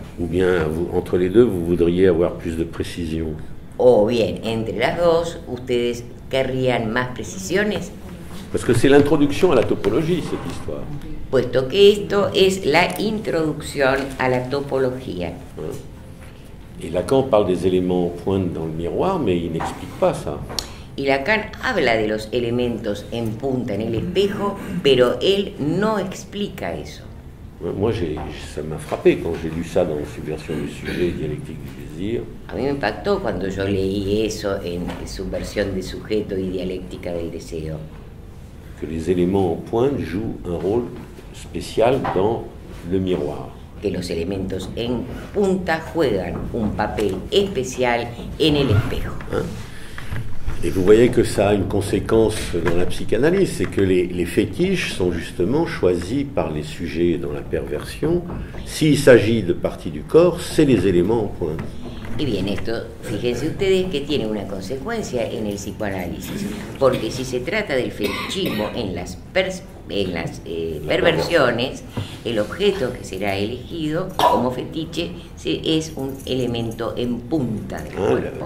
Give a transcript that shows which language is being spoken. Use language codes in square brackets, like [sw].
[fr] Ou bien vous, entre les deux, vous voudriez avoir plus de précision. [es] O bien, entre las dos, ¿ustedes querrían más precisiones? [fr] Parce que c'est l'introduction à la topologie, cette histoire. [es] Puesto que esto es la introducción a la topología. [fr] Et Lacan parle des éléments en pointe dans le miroir, mais il n'explique pas ça. [es] Y Lacan habla de los elementos en punta en el espejo, pero él no explica eso. [fr] Moi, ça m'a frappé quand j'ai lu ça dans Subversion du sujet, Dialectique du désir. [es] A mí me impactó cuando yo leí eso en Subversión de sujeto y Dialéctica del deseo. [fr] Que les éléments en pointe jouent un rôle spécial dans le miroir. [es] Que los elementos en punta juegan un papel especial en el espejo. [fr] Hein? Et vous voyez que ça a une conséquence dans la psychanalyse, c'est que les fétiches sont justement choisis par les sujets dans la perversion. S'il s'agit de parties du corps, c'est les éléments en pointe. Et bien, [es] esto, fíjense ustedes que tiene una consecuencia en el psicoanálisis, porque si se trata del fetichismo en las perversiones, el objeto que será elegido como fetiche es un elemento en punta del cuerpo.